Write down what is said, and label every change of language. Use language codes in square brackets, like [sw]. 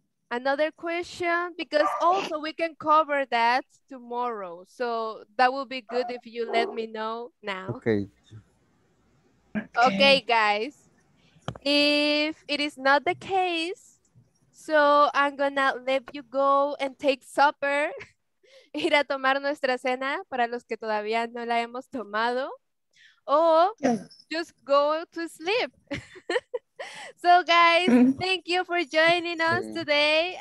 [en] another question, because also we can cover that tomorrow. So that would be good if you let me know now. Okay. Okay, guys. If it is not the case, so I'm gonna let you go and take supper. [es] Ir a tomar nuestra cena para los que todavía no la hemos tomado. [en] Or just go to sleep. So guys, thank you for joining us today.